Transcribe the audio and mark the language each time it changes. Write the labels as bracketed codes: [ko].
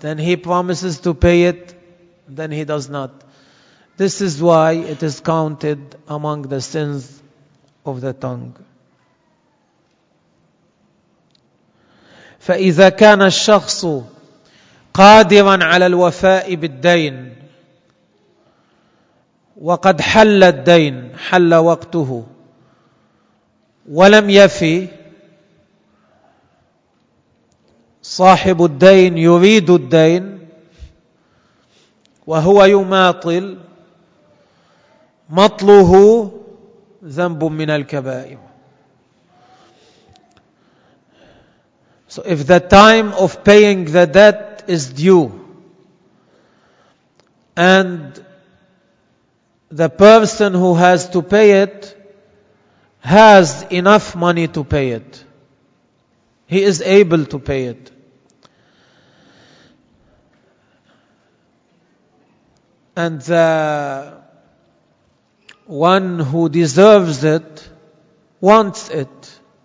[en] Then he promises to pay it, then he does not. This is why it is counted among the sins of the tongue. [ar] فإذا كان الشخص قادرا على الوفاء بالدين وقد حل الدين حل وقته ولم يفي صاحب الدين يريد الدين وهو يماطل مطله ذنب من الكبائر. [en] So if the time of paying the debt is due and the person who has to pay it has enough money to pay it, he is able to pay it, and the one who deserves it wants it.